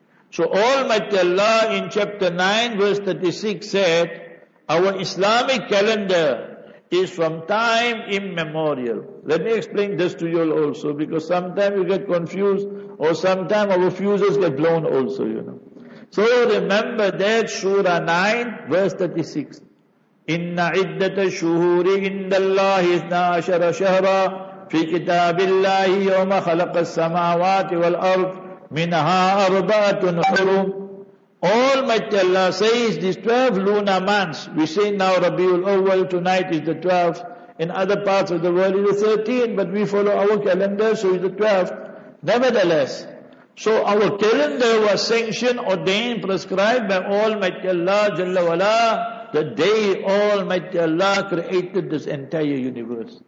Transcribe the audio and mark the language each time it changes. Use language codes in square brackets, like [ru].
[en] So Almighty Allah in chapter 9 verse 36 said, our Islamic calendar is from time immemorial. Let me explain this to you also, because sometimes you get confused or sometimes our fuses get blown also, you know. So remember that Surah 9 verse 36. [ar] إِنَّ عِدَّةَ الشُّهُورِ عِنْدَ اللَّهِ إِثْنَا عَشَرَ شَهْرًا في كتاب الله يوم خلق السماوات والأرض منها أربعة حرم. [en] Almighty Allah says these 12 lunar months, we say now Rabiul Awwal, tonight is the 12th, in other parts of the world is the 13th, but we follow our calendar, so it's the 12th. Nevertheless, so our calendar was sanctioned, ordained, prescribed by Almighty Allah Jalla Wala, the day Almighty Allah created this entire universe.